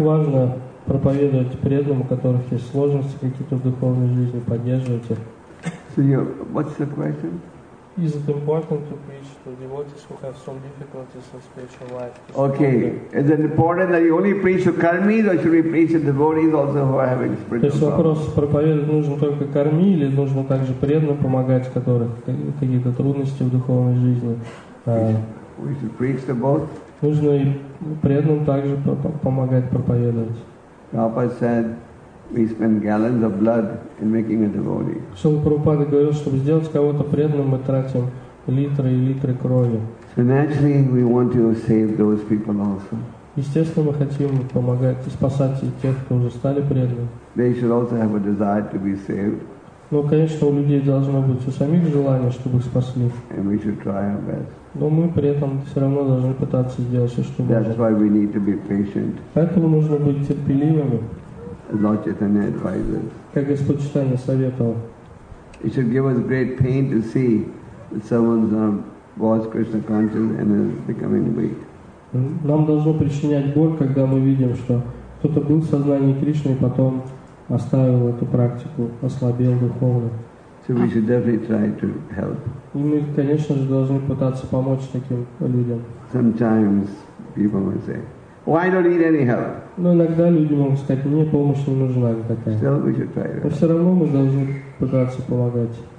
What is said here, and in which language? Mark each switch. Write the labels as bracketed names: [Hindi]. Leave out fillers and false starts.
[Russian] важно проповедовать преданным, у которых есть сложности какие-то в духовной жизни, поддерживать их. [English] So what's the question? Is it important to preach to devotees who have some difficulties in spiritual life? Okay. Is it important that you only preach to karmis, or should we preach to devotees also who are having spiritual problems? [Russian] То есть вопрос, проповедовать нужно только карми или нужно также преданным помогать, которых какие-то трудности в духовной жизни? [English] We should preach to both. [Russian] Нужно и преданным также помогать проповедовать. [English] Prabhupada said, we spend gallons of blood in making a devotee. [Russian] Шрила Прабхупада говорил, чтобы сделать кого-то преданным, мы тратим литры и литры крови. [English] So naturally, we want to save those people also. [Russian] Естественно, мы хотим помогать и спасать и тех, кто уже стали преданными. [English] They should also have a desire to be saved. [Russian] Но, конечно, у людей должно быть у самих желание, чтобы их спасли. [English] And we should try our best. [Russian] Но мы при этом все равно должны пытаться сделать все, что можно. [English] That's why we need to be patient. [Russian] Поэтому нужно быть терпеливыми. [English] Lord Chaitanya advises. [Russian] Как Господь Читания советовал. [English] It should give us great pain to see that someone's was Krishna conscious and is becoming weak. [Russian] Нам должно причинять боль, когда мы видим, что кто-то был в сознании Кришны и потом оставил эту практику, ослабел духовно. [English] So we should definitely try to help. [Russian] И мы, конечно же, должны пытаться помочь таким людям. [English] Sometimes people will say, "Why don't need any help?" [Russian] Но иногда люди могут сказать, мне помощь не нужна никакая. [English] Still we should try. [Russian] Но все равно мы должны пытаться помогать.